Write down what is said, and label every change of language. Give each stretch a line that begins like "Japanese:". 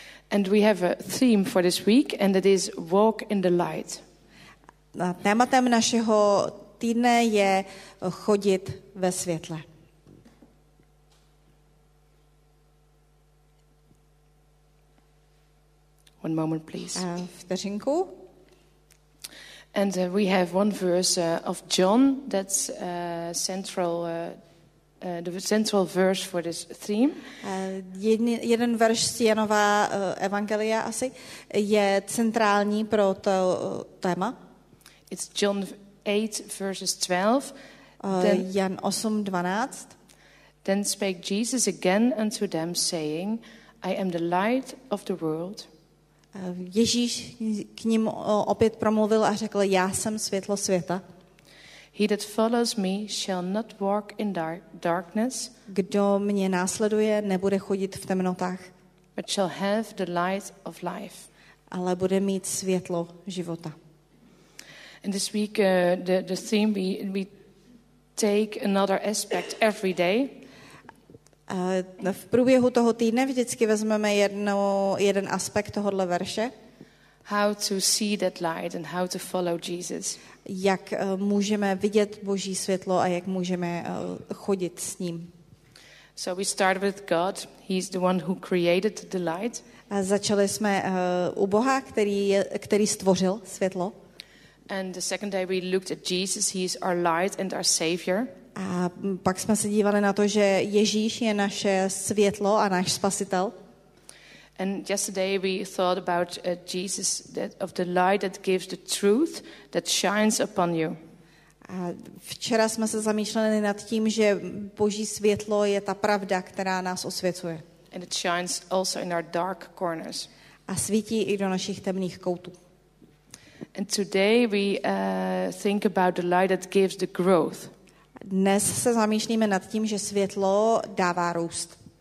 English: And we have a theme for this week and it is walk in the light.
Czech: A tématem našeho týdne je chodit ve světle.
English: One moment, please.
Czech: Vteřinku.
English: And we have one verse of John that's central the central verse for this theme.
Czech: Jeden verš z Janova evangelia asi je centrální pro to téma.
English: It's John 8 verses 12.
Czech: Jan 8:12.
English: Then spake Jesus again unto them, saying, I am the light of the world.
Czech: Ježíš k ním opět promluvil a řekl, já jsem světlo světa.
English: He that follows me shall not walk in darkness.
Czech: Kdo mě následuje, nebude chodit v temnotách.
English: But shall have the light of life.
Czech: Ale bude mít světlo života.
English: And this week the theme we take another aspect every day.
Czech: V průběhu toho týdne vždycky vezmeme jeden aspekt tohohle verše.
English: How to see that light and how to follow Jesus.
Czech: Jak můžeme vidět Boží světlo a jak můžeme chodit s ním.
English: So we start with God. He's the one who created the light.
Czech: A začali jsme u Boha, který stvořil světlo.
English: And the second day we looked at Jesus. He is our light and our savior.
Czech: A pak jsme se dívali na to, že Ježíš je naše světlo a náš spasitel.
English: And yesterday we thought about Jesus, that of the light that gives the truth that shines upon you.
Czech: A včera jsme se zamýšleli nad tím, že Boží světlo je ta pravda, která nás osvěcuje.
English: And it shines also in our dark corners.
Czech: A svítí i do našich temných koutů.
English: And today we think about the light that gives the growth.
Czech: Dnes se zamýšlíme nad tím, že světlo dává růst.